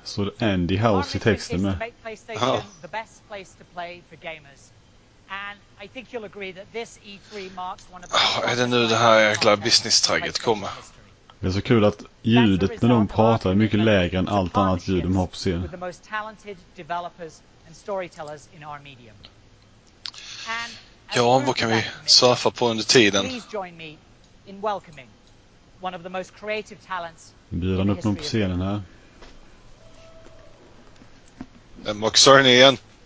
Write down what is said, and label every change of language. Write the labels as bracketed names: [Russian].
[Swedish] Så det är Andy House i texten med. [English] The best place to play for gamers. And I think you'll agree that this E3 marks one of the... [Swedish] Är det nu det här jäkla business-tragget kommer? Det är så kul att ljudet när de pratar är mycket lägre än allt annat ljud de har på scenen. [English] With the most talented developers and storytellers in our medium. [Swedish] Ja, vad kan vi surfa på under tiden? [English] Please join me in welcoming one of the most creative talents. [Swedish] Bjuder han upp någon på scenen här? Det är Mark Cerny igen.